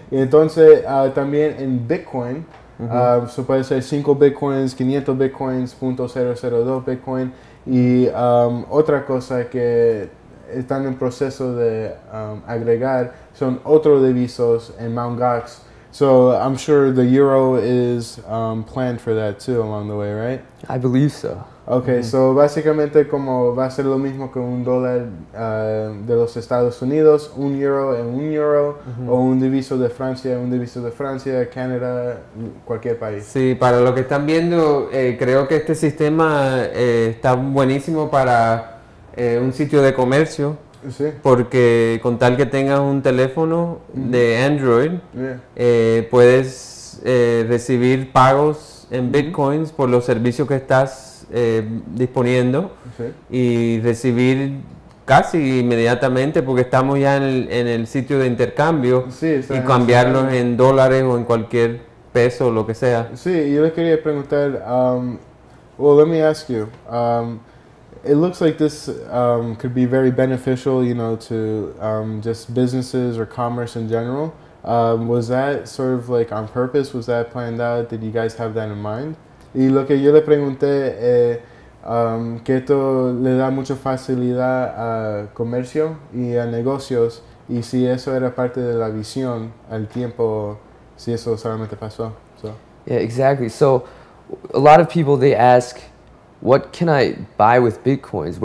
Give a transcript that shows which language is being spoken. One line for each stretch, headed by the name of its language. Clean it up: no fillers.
Spanish: Y entonces, también en Bitcoin, se puede ser 5 Bitcoins, 500 Bitcoins, 0.002 Bitcoin. Y otra cosa que están en proceso de agregar son otros divisos en Mt. Gox.
English: So I'm sure the euro is planned for that too along the way, right? I believe so.
Spanish: Okay, so básicamente como va a ser lo mismo que un dólar de los Estados Unidos, un euro en un euro, o un diviso de Francia, un diviso de Francia, Canadá, cualquier país. Sí, para lo que están viendo, creo que este sistema está buenísimo para un sitio de comercio. Sí. Porque con tal que tengas un teléfono de Android, puedes recibir pagos en bitcoins por los servicios que estás disponiendo y recibir casi inmediatamente, porque estamos ya en el sitio de intercambio y cambiarlos en dólares o en cualquier peso o lo que sea. Sí, yo les quería preguntar,
English: well, let me ask you. It looks like this could be very beneficial, you know, to just businesses or commerce in general. Was that sort of like on purpose? Was that planned out? Did you guys have that in mind?
Spanish: Y lo que yo le pregunté es que esto le da mucha facilidad a comercio y a negocios, y si eso era parte de la visión al tiempo, si eso solamente pasó.
English: So. Yeah, exactly. So a lot of people, they ask, what can I buy with bitcoins?